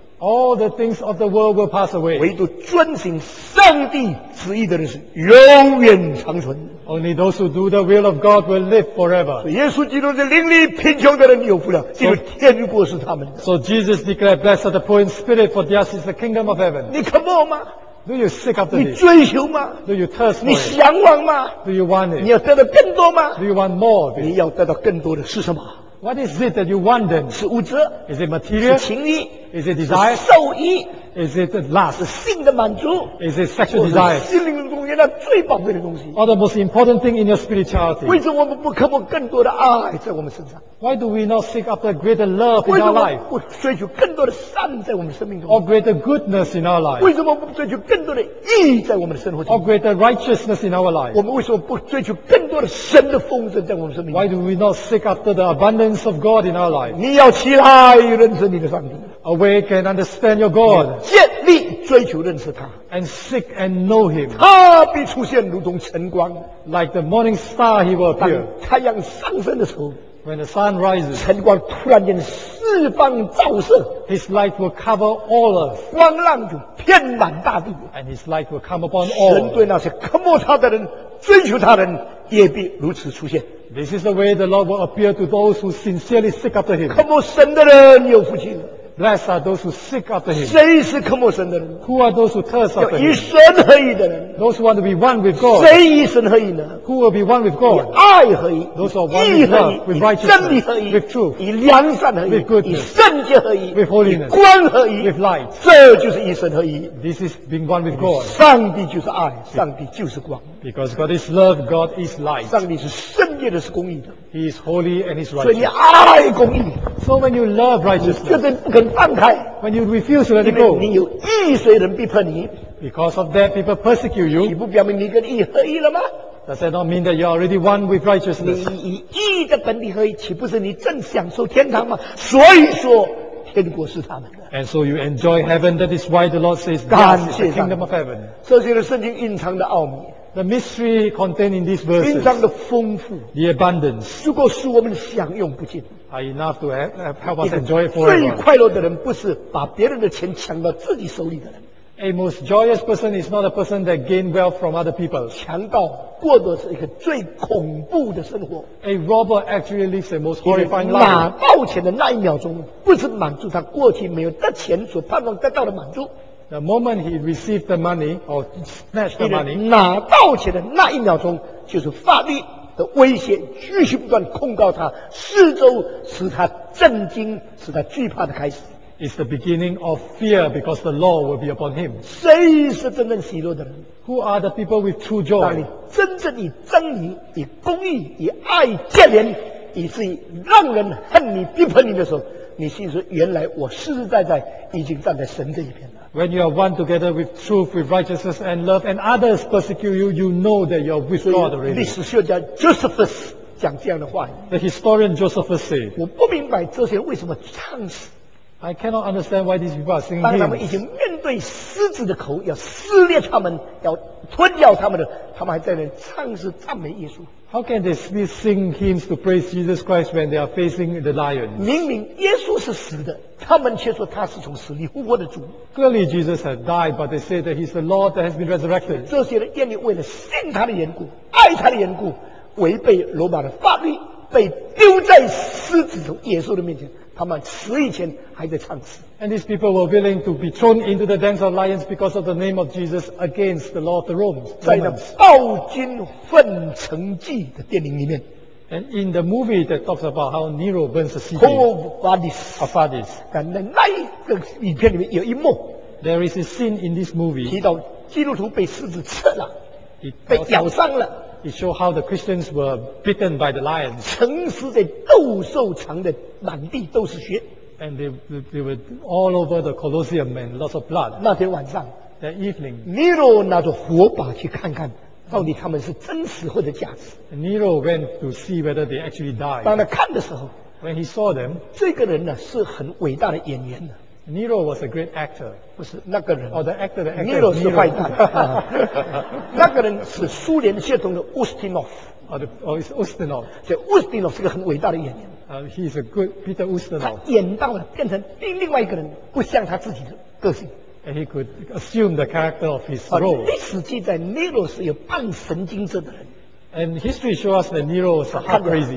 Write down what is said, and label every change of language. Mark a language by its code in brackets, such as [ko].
[en] All the things of the world will pass away. [zh] 唯独遵行上帝旨意的人是永远长存。 [en] Only those who do the will of God will live forever. [zh] 耶稣基督的邻里贫穷的人有福了，因为天国是他们的。 [en] So Jesus declared, "Blessed are the poor in spirit, for theirs is the kingdom of heaven." [zh] 你渴慕吗？ [en] Do you seek after it? [zh] 你追求吗？ [en] Do you thirst for it? [zh] 你向往吗？ [en] Do you want it? [zh] 你要得到更多吗？ [en] Do you want more of it? [zh] 你要得到更多的是什么？ [en] What is it that you want then? [zh] 是物质？ [en] Is it material? [zh] 是情欲？ [en] Is it desire? [zh] 是兽欲？ [en] Is it lust? [zh] 是性的满足？ [en] Is it sexual desire? [zh] 心灵的公园那最宝贵的东西？ [en] Or the most important thing in your spirituality? [zh] 为什么我们不渴望更多的爱在我们身上？ [en] Why do we not seek after greater love in our life? [zh] 为什么不追求更多的善在我们生命中？ [en] Or greater goodness in our life? [zh] 为什么不追求更多的义在我们的生活中？ [en] Or greater righteousness in our life? [zh] 我们为什么不追求更多的神的丰盛在我们生命中？ [en] Why do we not seek after the abundance of God in our life? [zh] 你要起来认识你的上帝。 [en] Awake and understand your God. [zh] 建立追求认识他。 [en] And seek and know him. [zh] 他必出现如同晨光。 [en] Like the morning star, he will appear. [zh] 太阳上升的时候。 [en] When the sun rises, [zh] 晨光突然间四方照射， [en] His light will cover all earth. [zh] 光浪就遍满大地， [en] And His light will come upon all. [zh] 神对那些渴慕他的人、追求他的人也必如此出现。 [en] This is the way the Lord will appear to those who sincerely seek after Him. [zh] 渴慕神的人有福气了。 [en] Blessed are those who seek after Him. [zh] 谁是渴慕神的人？ [en] Who are those who thirst after Him? [zh] 以神合一的人。 [en] Those who want to be one with God. [zh] 谁以神合一呢？ [en] Who will be one with God? [zh] 以爱合一。 [en] Those who are one with love, with righteousness, [zh] 真理合一。 [en] With truth. [zh] 以良善合一。 [en] With goodness. [zh] 以圣洁合一。 [en] With holiness. [zh] 以光合一。 [en] With light. [zh] 这就是以神合一。 [en] This is being one with God. [zh] 上帝就是爱，上帝就是光。 [en] Because God is love, God is light. [zh] 上帝是圣洁的，是公义的。 [en] He is holy and He is righteous. [zh] 所以你爱公义。 [en] So when you love righteousness, [zh] 就是不肯放开。 [en] When you refuse to let it go, [zh] 因为你有义，所以人必喷你。 [en] Because of that, people persecute you. [zh] 岂不表明你跟义合一了吗？ [en] Does that not mean that you are already one with righteousness? [zh] 你以义的本体合一，岂不是你正享受天堂吗？所以说，天国是他们的。 [en] And so you enjoy heaven. That is why the Lord says, "This is the kingdom of heaven." [zh] 这就是圣经隐藏的奥秘。 [en] The mystery contained in these verses, [zh] 经常的丰富, [en] the abundance, [zh] 如果是我们享用不尽, [en] are enough to help us enjoy it forever. [zh] 最快乐的人不是把别人的钱抢到自己手里的人。 [en] A most joyous person is not a person that gains wealth from other people. [zh] 强盗过的是一个最恐怖的生活。 [en] A robber actually lives a most horrifying life. [zh] 拿到钱的那一秒钟，不是满足他过去没有得钱所盼望得到的满足。 [en] The moment he received the money or snatched the money, [zh] 拿到钱的那一秒钟，就是法律的威胁继续不断控告他，四周使他震惊，使他惧怕的开始。 [en] It's the beginning of fear because the law will be upon him. [zh] 谁是真正喜乐的人？ [en] Who are the people with true joy? [zh] 当你真正以真理、以公义、以爱接连，以至于让人恨你、逼迫你的时候，你心说：原来我实实在在已经站在神这一边了。 [en] When you are one together with truth, with righteousness and love, and others persecute you, you know that you are with God already. [zh] 历史学家 Josephus 讲这样的话。 [en] The historian Josephus said, [zh] 我不明白这些人为什么唱诗。 [en] I cannot understand why these people are singing hymns. [zh] 当他们已经面对狮子的口，要撕裂他们，要吞掉他们的，他们还在那唱诗赞美耶稣。 [en] How can they sing hymns to praise Jesus Christ when they are facing the lions? [zh] 明明耶稣是死的，他们却说他是从死里复活的主。 [en] Clearly Jesus had died, but they say that he's the Lord that has been resurrected. [zh] 这些人愿意为了信他的缘故、爱他的缘故，违背罗马的法律，被丢在狮子头野兽的面前。他们死以前还在唱诗。 [en] And these people were willing to be thrown into the dens of lions because of the name of Jesus against the law of the Romans. [zh] 在那暴君焚城记的电影里面。 [en] And in the movie that talks about how Nero burns the city. Of Vadis. [zh] 但在那一个影片里面有一幕。 [en] There is a scene in this movie. [zh] 提到基督徒被狮子吃了。被咬伤了。 [en] It shows how the Christians were bitten by the lions. [zh] 城市在斗兽场的满地都是血。 [en] And they were all over the Colosseum and lots of blood. [zh] 那天晚上。 [en] That evening. [zh] Nero 拿着火把去看看到底他们是真死或者假死。 [en] Nero went to see whether they actually died. [zh] 当他看的时候。 [en] When he saw them. [zh] 这个人呢是很伟大的演员的。 [en] Nero was a great actor. [zh] 不是那个人。 [en] Oh, the actor. [zh] Nero 是坏蛋。那个人是苏联血统的 Ustinov. [en] It's Ustinov. [zh] 所以 Ustinov 是个很伟大的演员。 [en] He's a good Peter Ustinov. [zh] 他演到了变成另外一个人，不像他自己的个性。 [en] And he could assume the character of his role. [zh] 历史记载 Nero 是有半神经质的人。 [en] And history shows us that Nero was half crazy.